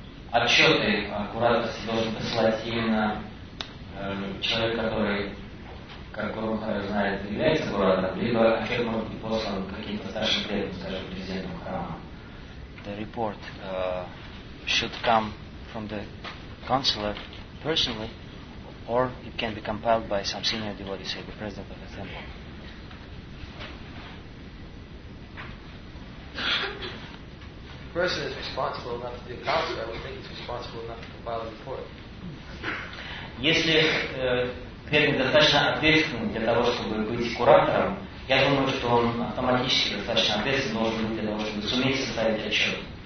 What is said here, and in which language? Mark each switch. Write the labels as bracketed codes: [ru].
[ru] Отчеты аккуратности должен посылать именно человек, который, как он знает, является аккуратором, либо отчет может быть послан каким-то старшим преданным, скажем, президентом храма. [en] The report should come from the counselor personally, or it can be compiled by some senior devotee, say the president of the temple. The person is responsible enough to be a counselor, I would think he's responsible enough to compile a report. [ru] Если преданный достаточно ответственен для того, чтобы быть куратором, я думаю, что он автоматически достаточно ответственен должен быть для того, чтобы суметь составить отчет.